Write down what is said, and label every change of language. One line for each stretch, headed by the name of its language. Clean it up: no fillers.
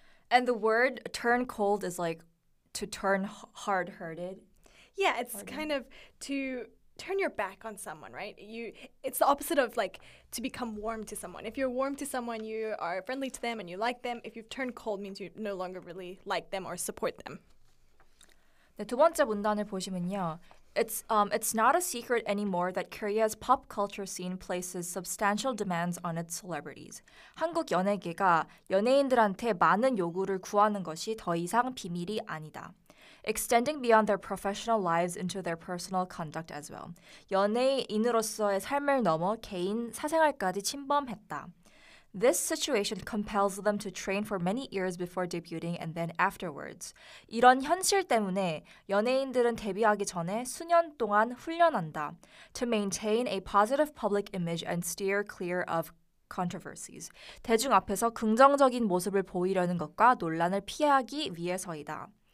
English: And the word turn cold is like to turn hard-hearted. Yeah, it's kind of to turn your back on someone, right? It's the opposite of like to become warm to someone. If you're warm to someone, you are friendly to them and you like them. If you've turned cold, means you no longer really like them or support them.
Korean: 네, 두 번째 문단을 보시면요.
English: It's not a secret anymore that Korea's pop culture scene places substantial demands on its celebrities.
Korean: 한국 연예계가 연예인들한테 많은 요구를 구하는 것이 더 이상 비밀이 아니다.
English: Extending beyond their professional lives into their personal conduct as well.
Korean: 연예인으로서의 삶을 넘어 개인 사생활까지 침범했다.
English: This situation compels them to train for many years before debuting and then afterwards.
Korean: 이런 현실 때문에 연예인들은 데뷔하기 전에 수년 동안 훈련한다.
English: To maintain a positive public image and steer clear of controversies.
Korean: 대중 앞에서 긍정적인 모습을 보이려는 것과 논란을 피하기 위해서이다.